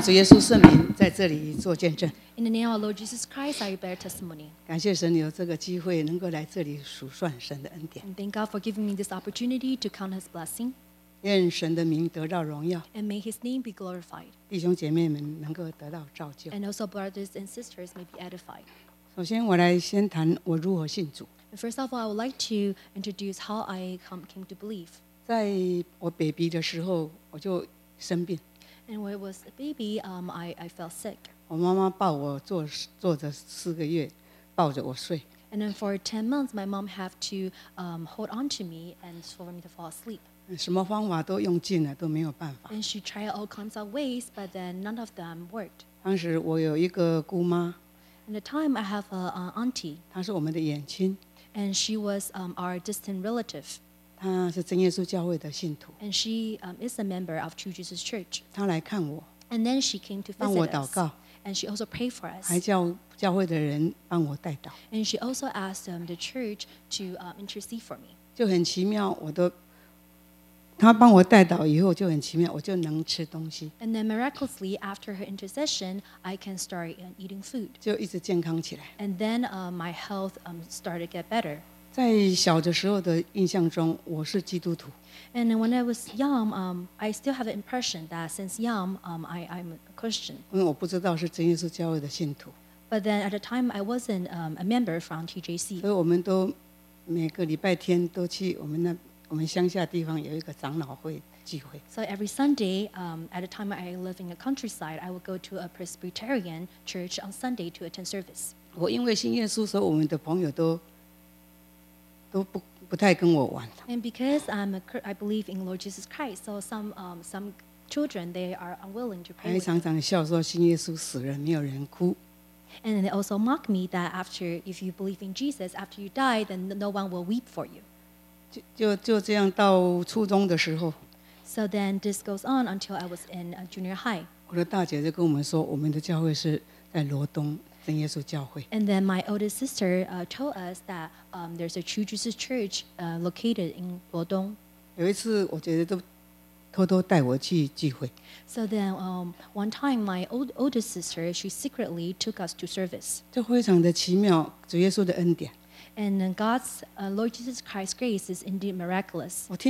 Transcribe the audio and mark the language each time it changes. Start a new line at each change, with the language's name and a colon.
Chinese: 奉主耶稣圣名在这里做见证。
English: In the name of our Lord Jesus Christ, I bear testimony.
Chinese: 感谢神有这个机会能够来这里数算神的恩典。
English: Thank God for giving me this opportunity to count His blessing.
Chinese: 愿神的名得到荣耀。
English: And may His name be glorified.
Chinese: 弟兄姐妹们能够得到造就。
English: And also brothers and sisters may be edified.
Chinese: 首先我来先谈我如何信主。
English: First of all, I would like to introduce how I came to believe.
Chinese: 在我
English: baby
Chinese: 的时候我就生病。
English: And when I was a baby, I felt sick.
Chinese: 我妈妈抱我坐着四个月，抱着我睡。
English: And then for 10 months, my mom had to hold on to me and for me to fall asleep.
Chinese: 什么方法都用尽了，都没有办法。
English: And she tried all kinds of ways, but then none of them worked.
Chinese: 当时我有一个姑妈。
English: In the time, I have an auntie.
Chinese: 她是我们的远亲。
English: And she was our distant relative.
Chinese: 她是真耶稣教会的信徒。
English: And she is a member of True Jesus Church.
Chinese: 她来看我。
English: And then she came to visit
Chinese: 帮我祷告。
English: us. And she also prayed for us.
Chinese: 还叫教会的人帮我代祷。
English: And she also asked the church to intercede for me.
Chinese: 就很奇妙，我都。他帮我带导以后就很奇妙，我就能吃东西。
English: And then miraculously, after her intercession, I can start eating food.
Chinese: 就一直健康起来。
English: And then my health started to get better.
Chinese: 在小的时候的印象中，我是基督徒。
English: And then when I was young, I still have an impression that since young, I'm a Christian.
Chinese: 因为我不知道是真耶稣教会的信徒。
English: But then at the time, I wasn't a member from TJC.
Chinese: 所以我们都每个礼拜天都去我们那。我们乡下地方有一个长老会聚会。
English: So every Sunday, at the time I live in the countryside, I would go to a Presbyterian church on Sunday to attend service.
Chinese: 我因为信耶稣，所以我们的朋友都不太跟我玩。
English: And because I believe in Lord Jesus Christ, so some children they are unwilling to pray.
Chinese: 还常常笑说信耶稣死人没有人哭。
English: And they also mock me that if you believe in Jesus, after you die, then no one will weep for you.
Chinese: 就这样到初中的时候
English: So then this goes on until I was in junior high
Chinese: 我的大姐就跟我们说 我们的教会是在罗东真耶稣教会
English: And then my oldest sister told us that there's a True Jesus Church located in 罗东
Chinese: 有一次我姐姐都偷偷带我去聚会
English: So then one time my oldest sister she secretly took us to service
Chinese: 就非常的奇妙 主耶稣的恩典
English: And God's Lord Jesus Christ's grace is indeed miraculous.